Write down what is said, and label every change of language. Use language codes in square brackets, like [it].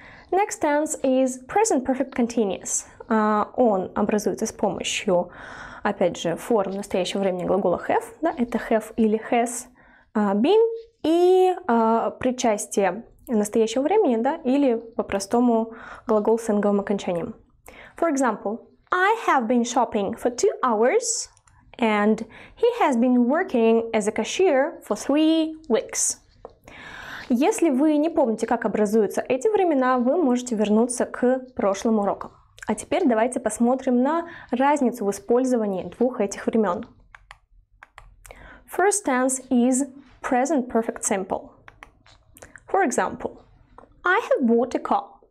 [en] Next tense is present perfect continuous. [ru] Он образуется с помощью, опять же, форм настоящего времени глагола have, да, это have или has, been, и причастие настоящего времени, да, или по-простому глагол с инговым окончанием. [en] For example, I have been shopping for 2 hours and he has been working as a cashier for 3 weeks. [ru] Если вы не помните, как образуются эти времена, вы можете вернуться к прошлым урокам. А теперь давайте посмотрим на разницу в использовании двух этих времен. [en] First tense is present perfect simple. For example, I have bought a car.